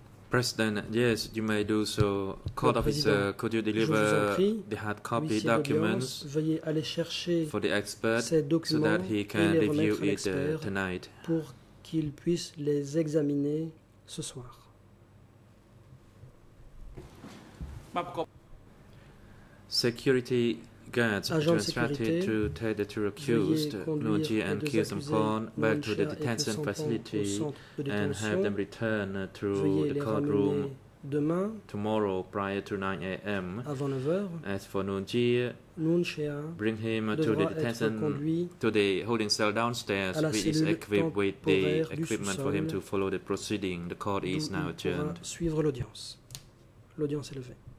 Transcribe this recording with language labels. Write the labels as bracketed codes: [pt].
[en] President, yes, you may do so. Court officer, could you deliver the hard copy documents [fr] aller [en] for the expert so that he can review it tonight? [fr] Pour qu'il puisse les examiner ce soir. [en] Security guards are instructed to take the two accused, Luoji and Kyusumporn, back to the detention facility and have them return to the courtroom [fr] demain, [en] tomorrow prior to 9 a.m. [fr] Avant 9h, [en] as for Luoji, bring him to the detention, to the holding cell downstairs, which is equipped with the equipment for him to follow the proceeding. The court is now adjourned. [fr] Suivre l'audience. L'audience est levée.